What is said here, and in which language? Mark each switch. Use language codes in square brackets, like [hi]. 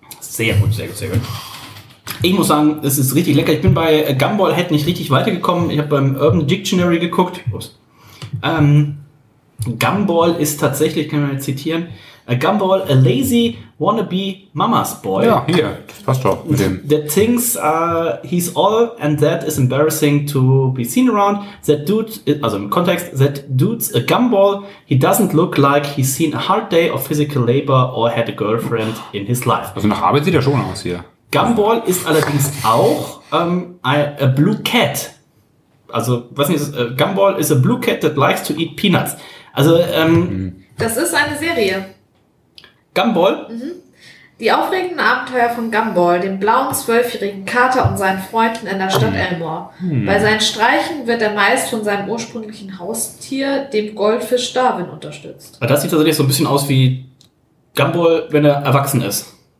[de] Sehr gut, sehr gut, sehr gut. Ich muss sagen, es ist richtig lecker. Ich bin bei Gumballhead nicht richtig weitergekommen. Ich habe beim Urban Dictionary geguckt. Gumball ist tatsächlich, kann man zitieren, [en] a Gumball, a lazy wannabe mama's boy. [de] Ja, hier, das passt doch mit dem. [en] That thinks he's all and that is embarrassing to be seen around. That dude, [de] also im Kontext, [en] that dude's a Gumball. He doesn't look like he's seen a hard day of physical labor or had a girlfriend in his life. [de] Also nach Arbeit sieht er schon aus hier. Gumball ist allerdings auch [en] a blue cat. [de] Also, was ist [en] Gumball is a blue cat that likes to eat peanuts. [de] Also, Das ist eine Serie. Gumball? Mhm. Die aufregenden Abenteuer von Gumball, dem blauen 12-jährigen Kater und seinen Freunden in der Stadt Elmore. Bei seinen Streichen wird er meist von seinem ursprünglichen Haustier, dem Goldfisch Darwin, unterstützt. Aber das sieht tatsächlich so ein bisschen aus wie Gumball, wenn er erwachsen ist.